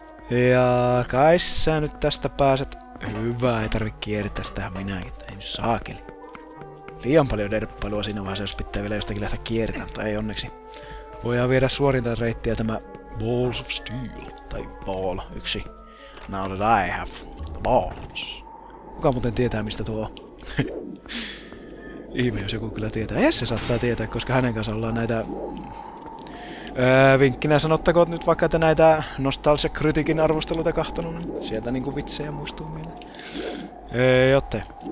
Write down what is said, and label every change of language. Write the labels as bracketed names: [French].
[Finnish] Ja kai sä nyt tästä pääset. Hyvä, ei tarvi kiertää sitä minäkin, ei nyt saakeli. Liian paljon derppailua siinä vaiheessa, jos pitää vielä jostakin lähteä kiertämään, mutta ei onneksi. Voidaan viedä suorinta reittiä tämä Balls of Steel, tai Ball, yksi. [English] Now that I have the balls. [Finnish] Kuka muuten tietää, mistä tuo on? Ihme, jos joku kyllä tietää. Ei se saattaa tietää, koska hänen kanssa ollaan näitä... Vinkkinä sanottakoon nyt vaikka, että näitä Nostalgia Criticin arvosteluita kahtonut, niin sieltä niinku vitsejä muistuu mieleen. Jotte.